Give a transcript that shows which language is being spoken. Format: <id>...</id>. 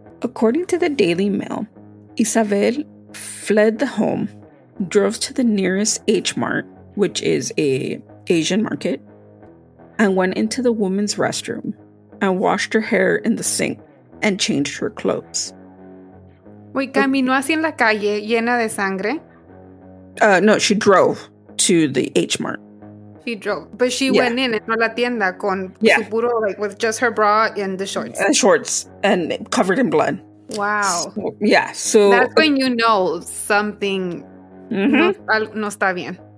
<en>According to the Daily Mail, Isabel fled the home, drove to the nearest H Mart, which is a Asian market, and went into the woman's restroom and washed her hair in the sink and changed her clothes. Wait,</en> <es>caminó así en la calle llena de sangre?</es> <en>No, she drove to the H Mart. She drove, but she went in,</en> <es>entró a la tienda con su puro,</es> <en>like, with just her bra and the shorts. And shorts, and covered in blood. Wow. So, yeah, so... That's when you know something</en> <es>no está bien.</es>